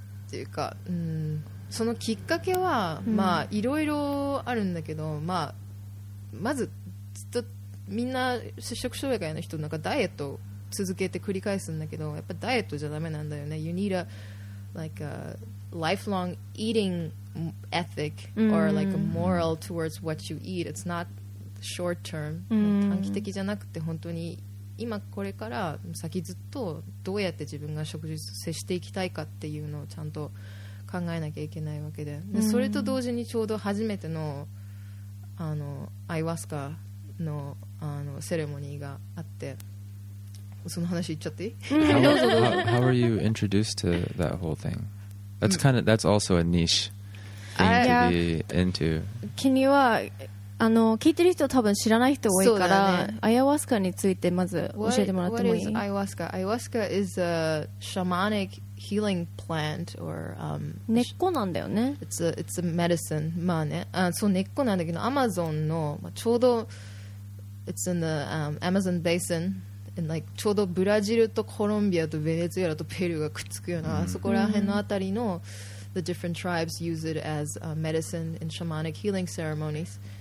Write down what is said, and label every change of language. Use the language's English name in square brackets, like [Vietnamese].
[Japanese] ていうか、うん、そのきっかけは、うん、まあいろいろあるんだけど、まあまずずっとみんな摂食障害の人なんかダイエットを続けて繰り返すんだけど、やっぱダイエットじゃダメなんだよね。 [English] You need a like a lifelong eating ethic or like a moral towards what you eat. It's not short term. [Japanese] 短期的じゃなくて本当に今これから先ずっとどうやって自分が食事接していきたいかっていうのをちゃんと考えなきゃいけないわけ で、 でそれと同時にちょうど初めてのあのアイワスカの、 あのセレモニーがあって、その話言っちゃっていい？ [English] how were you introduced to that whole thing? That's kind of that's also a niche thing to be into. [Japanese] 君はあの聞いてる人多分知らない人多いから、アイワスカについてまず教えてもらってもいい？ [English] What is ayahuasca? Ayahuasca is a shamanic healing plant or [Japanese] 根っこなんだよね。 [English] It's a medicine. [Japanese] まあね、あそう根っこなんだけど、アマゾンの、まあ、ちょうど [English] It's in the Amazon Basin and like [Japanese] ちょうどブラジルとコロンビアとベネズエラとペルーがくっつくような、 [English] mm-hmm. [Japanese] そこら辺のあたりの [English] The different tribes use it as medicine in shamanic healing ceremonies.